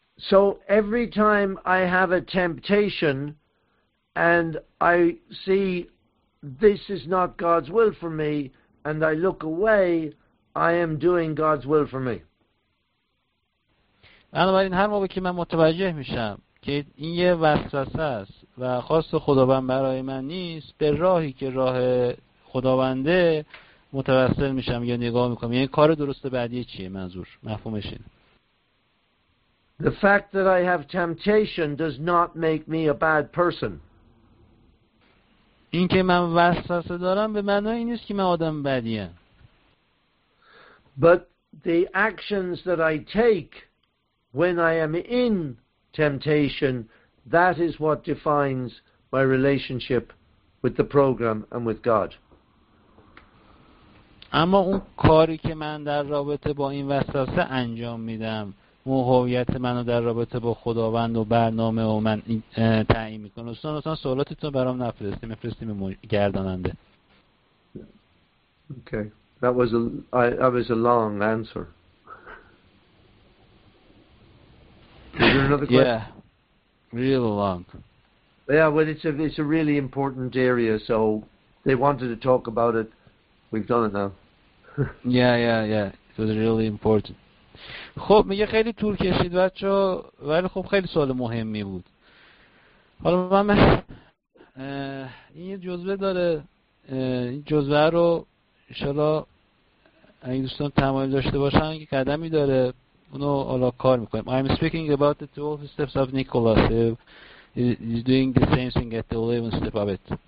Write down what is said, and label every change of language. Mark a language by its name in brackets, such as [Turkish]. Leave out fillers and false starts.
[English] So every time I have a temptation and I see this is not God's will for me and I look away, I am doing God's will for me. [Persian] بنابراین هر موقع که من متوجه میشم که این یه وسوسه است و خواست خداوند برای من نیست، به راهی که راه خداونده متوسل میشم یا نگاه میکنم. یعنی کار درست بعدی چیه؟ منظور مفهومش اینه. [English] The fact that I have temptation does not make me a bad person. [Persian] این که من وسوسه دارم به معنای این نیست که من آدم بدیم. [English] But the actions that I take when I am in temptation, that is what defines my relationship with the program and with God. [Persian] اما اون کاری که من در رابطه با این وسوسه انجام میدم، هویت منو در رابطه با خداوند و برنامه و من تعیین میکنه. استاد اصلا سوالاتتون برام نفرستیم، فرستیم گرداننده. [English] Okay. That was a long answer. Is there another question? Yeah. Really long. Yeah, well, it's a really important area, so they wanted to talk about it. We've done it now. yeah. It was really important. [Persian] خب میگه خیلی طول کشید بچه، ولی خب خیلی سوال مهمی بود. حالا من این جزوه داره، این جزوه رو انشالا اگه دوستان تمایل داشته باشن که قدمی داره اونو حالا کار میکنیم. [English] I'm speaking about the 12 steps of Nicholas. He's doing the same thing at the 11th step of it.